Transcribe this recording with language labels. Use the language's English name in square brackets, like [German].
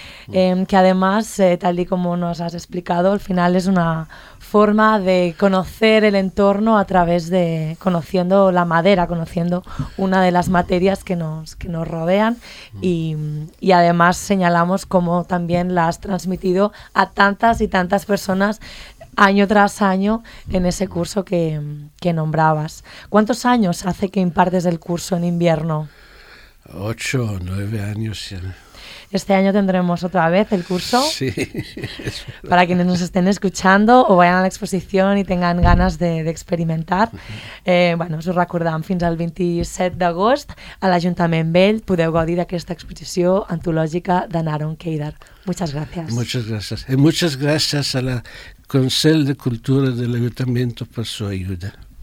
[Spanish] que además, tal y como nos has explicado, al final es una forma de conocer el entorno a través de conociendo la madera, conociendo una de las materias que nos rodean, y además señalamos cómo también la has transmitido a tantas y tantas personas año tras año en ese curso que nombrabas. ¿Cuántos años hace que impartes el curso en invierno? 8 o 9 años ya. Este año tendremos otra vez el curso. Sí. Para quienes nos estén escuchando o vayan a la exposición y tengan ganas de experimentar. [Catalan] Bueno, us ho recordem, fins al 27 d'agost a l'Ajuntament Vell podeu gaudir d'aquesta exposició antològica d'en Aaron Kadar. [Spanish] Muchas gracias. Muchas gracias. Y muchas gracias a la Consell de Cultura del Ayuntamiento por su ayuda.